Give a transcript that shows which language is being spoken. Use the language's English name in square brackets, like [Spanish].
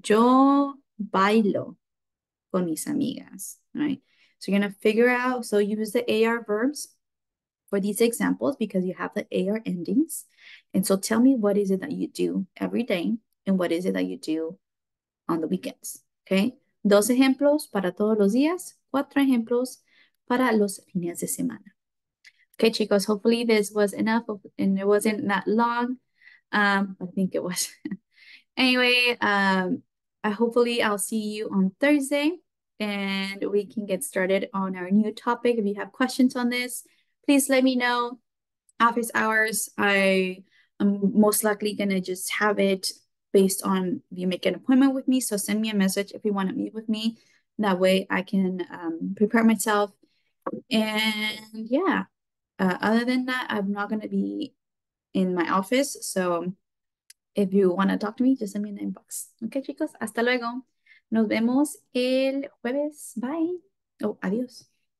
[Spanish] Yo bailo con mis amigas, right? [English] So you're gonna figure out, so use the AR verbs for these examples because you have the AR endings. And so tell me what is it that you do every day and what is it that you do on the weekends, okay? [Spanish] Dos ejemplos para todos los días, cuatro ejemplos para los fines de semana. [English] Okay, chicos, hopefully this was enough and it wasn't that long. I think it was. Anyway, hopefully I'll see you on Thursday and we can get started on our new topic. If you have questions on this, please let me know. Office hours, I am most likely gonna just have it based on you make an appointment with me. So send me a message if you want to meet with me. That way I can prepare myself. And yeah, other than that, I'm not gonna be in my office. So if you want to talk to me, just send me an inbox. [Spanish] Okay, chicos, hasta luego. Nos vemos el jueves. Bye. Oh, adiós.